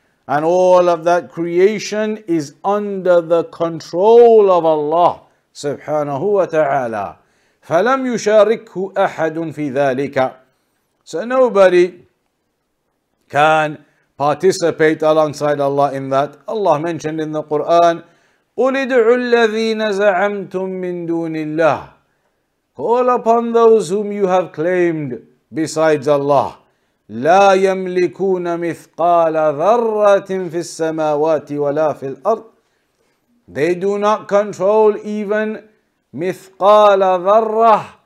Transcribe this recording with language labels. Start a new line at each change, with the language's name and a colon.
English: And all of that creation is under the control of Allah subhanahu wa ta'ala.
Arabic: فَلَمْ يُشَارِكْهُ أَحَدٌ فِي ذَٰلِكَ.
English: So nobody can participate alongside Allah in that. Allah mentioned in the Quran,
Arabic: قُلِ ادْعُوا الَّذِينَ زَعَمْتُم مِّن دُونِ اللَّهِ.
English: Call upon those whom you have claimed besides Allah.
Arabic: لَا يَمْلِكُونَ مِثْقَالَ ذَرَّةٍ فِي السَّمَاوَاتِ وَلَا فِي الْأَرْضِ.
English: They do not control even
Arabic: مِثْقَالَ ذَرَّةٍ.